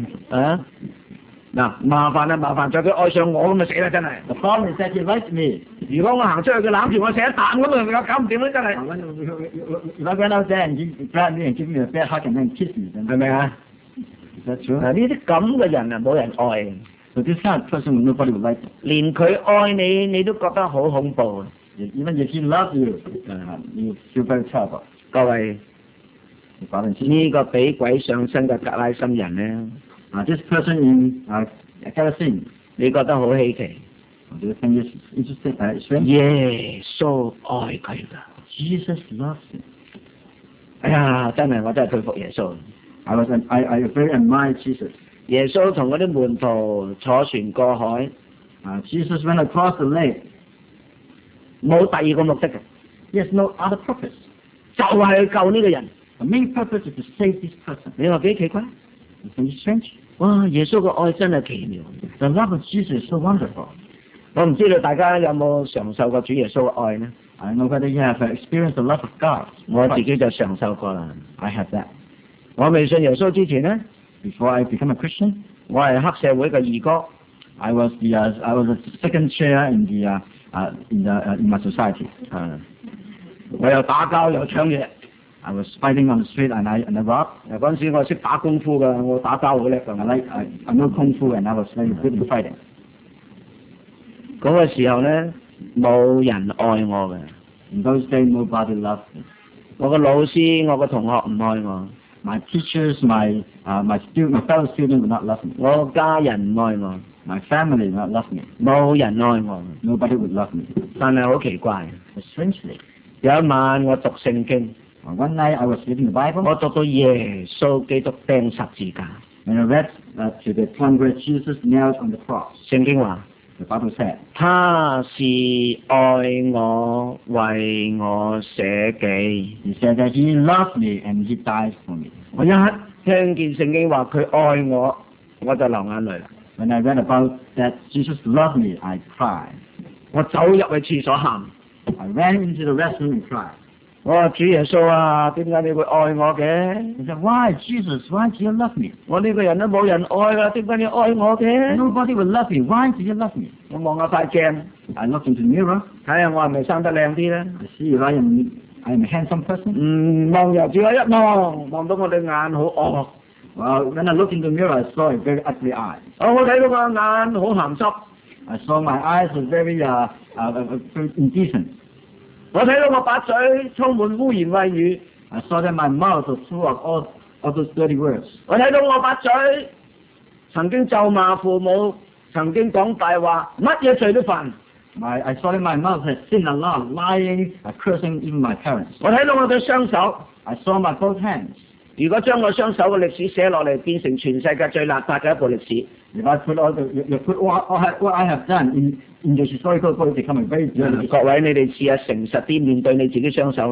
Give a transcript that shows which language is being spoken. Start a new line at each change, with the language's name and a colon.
Cantonese: 啊？嗱，麻煩啦，麻煩咗，佢愛上我咁咪死啦，真係。
English: The problem is that he likes me.
Cantonese: 如果我行出去，佢攬住我成一啖咁啊，我搞唔掂啦，真係。
English: If I went out there and he grabbed me and give me a bad hug and then kiss me,
Cantonese: 係咪啊
English: ？Is that true?
Cantonese: 嗱，呢啲咁嘅人啊，冇人愛。
English: So this kind of person nobody would like.
Cantonese: 連佢愛你，你都覺得好恐怖。
English: Even if he loves you, you feel very terrible.
Cantonese: 各位，呢個俾鬼上身嘅格拉森人咧。
English: This person in Galatians,
Cantonese: 你覺得好稀奇
English: ？Do you think it's interesting? Yes, so 愛佢噶。 Jesus loves him.
Cantonese: 哎呀，真係我真係佩服耶穌。
English: I very admire Jesus.
Cantonese: 耶穌同嗰啲門徒坐船過海。
English: Jesus went across the lake.
Cantonese: 冇第二個目的嘅。
English: Yes, no other purpose.
Cantonese: 就係救呢個人。
English: The main purpose is to save this person.
Cantonese: 你話幾奇怪？
English: It's strange.
Cantonese: 哇！耶穌嘅愛真係奇妙。
English: The love of Jesus is so wonderful.
Cantonese: 我唔知道大家有冇享受過主耶穌嘅愛呢
English: I don't know whether you have experienced the love of God.
Cantonese: 我自己就享受過啦。
English: I have that.
Cantonese: 我未信耶穌之前呢
English: Before I become a Christian,
Cantonese: 我係黑社會嘅義工。
English: I was the second chair in my society.
Cantonese: 我又打交又搶嘢。
English: I was fighting on the street and I robbed.
Cantonese: 嗰陣時我識打功夫㗎，我打交好叻㗎。
English: I know kung fu and I was very good in fighting.
Cantonese: 嗰個時候咧，冇人愛我嘅。
English: In those days, nobody loved me.
Cantonese: 我個老師、我個同學唔愛我。
English: My teachers, my fellow students would not love me.
Cantonese: 我家人唔愛我。
English: My family would not love me.
Cantonese: 冇人愛我。
English: Nobody would love me.
Cantonese: 但係好奇怪。
English: Strangely,
Cantonese: 有一晚我讀聖經。
English: One night I was reading the Bible.
Cantonese: 我讀到耶穌基督釘十字架。
English: And I read to the time where Jesus nailed on the cross.
Cantonese: 聖經話
English: ，The Bible said,
Cantonese: 他是愛我，為我舍己。
English: He said that he loved me and he died for me.
Cantonese: 我一聽見聖經話佢愛我，我就流眼淚。
English: When I read about that Jesus loved me, I cried.
Cantonese: 我走入去廁所喊。
English: I ran into the restroom and cried.
Cantonese: 我話主耶穌啊，點解你會愛我嘅
English: ？He said, Why Jesus? Why do you love me?
Cantonese: 我呢個人都冇人愛啦，點解你愛我嘅
English: ？Nobody will love me. Why do you love me?
Cantonese: 我望下塊鏡
English: ，I look into the mirror，
Cantonese: 睇下我係咪生得靚啲咧
English: ？I see that I am a handsome person.
Cantonese: 望又只係一望，望到我對眼好惡。
English: Well, when I look into the mirror, I saw a very ugly eye.
Cantonese: 我睇到個眼好鹹濕。
English: I saw my eyes are very indecent.
Cantonese: 我睇到我把嘴充满污言秽语。
English: I saw that my mouth was full of all of those dirty words.
Cantonese: 我睇到我把嘴曾经咒骂父母，曾经讲大话，乜嘢罪都犯。
English: I saw that my mouth had sinned a lot, lying, cursing even my parents.
Cantonese: 我睇到我嘅双手。
English: I saw my both hands.
Cantonese: 如果將我雙手嘅歷史寫落嚟，變成全世界最邋遢嘅一部歷史。
English: If I put all the what I have done in the historical book, it's becoming very dirty.
Cantonese: 各位，你哋試下誠實啲面對你自己雙手